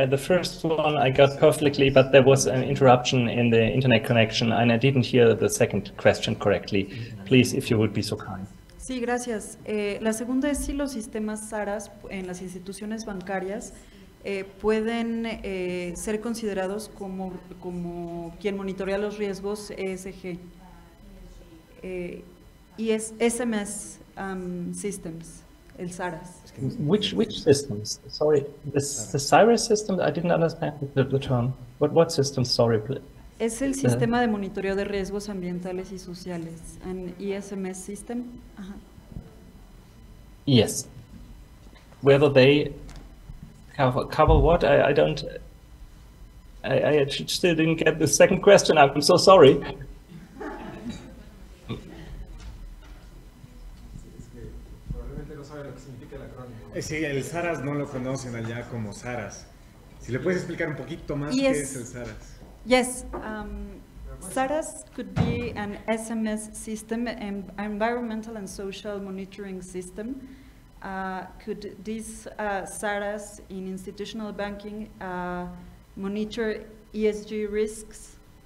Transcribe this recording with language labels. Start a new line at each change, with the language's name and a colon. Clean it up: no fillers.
English: The first one I got perfectly, but there was an interruption in the internet connection and I didn't hear the second question correctly. Please, if you would be so kind.
Spanish: Sí, gracias. La segunda es si los sistemas SARAS en las instituciones bancarias pueden ser considerados como quien monitorea los riesgos ESG. Y es SMS Systems, el SARAS.
English: Which systems? Sorry, the SARAS system. I didn't understand the term. What system? Sorry.
Spanish: Es el sistema de monitoreo de riesgos ambientales y sociales,
English: an ESMS system. Uh-huh. Yes. Whether they cover what? I still didn't get the second question. I'm so sorry.
Spanish: Sí, el SARAS no lo conocen allá como SARAS. Si le puedes explicar un poquito más qué es el SARAS.
English: Yes, SARAS could be an SMS system, an environmental and social monitoring system. Could this SARAS in institutional banking monitor ESG risks?